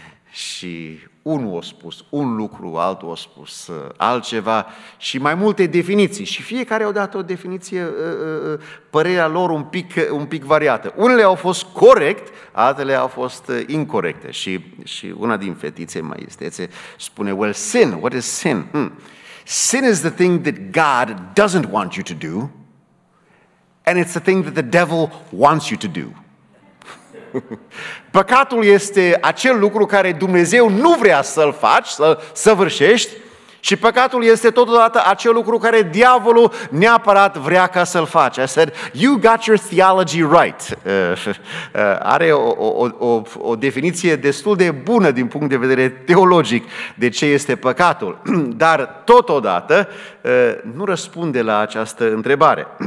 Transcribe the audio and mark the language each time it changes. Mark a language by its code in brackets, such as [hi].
[ro] Și unul a spus un lucru, altul a spus altceva și mai multe definiții. Și fiecare a dat o definiție, părerea lor un pic variată. Unele au fost corect, altele au fost incorrecte. Și una din fetițe mai istețe spune, [en] well, sin, what is sin? Sin is the thing that God doesn't want you to do and it's the thing that the devil wants you to do. [ro] Păcatul este acel lucru care Dumnezeu nu vrea să-l faci, să-l săvârșești, și păcatul este totodată acel lucru care diavolul neapărat vrea ca să-l faci. [en] I said, you got your theology right. [ro] Are o definiție destul de bună din punct de vedere teologic de ce este păcatul, dar totodată nu răspunde la această întrebare.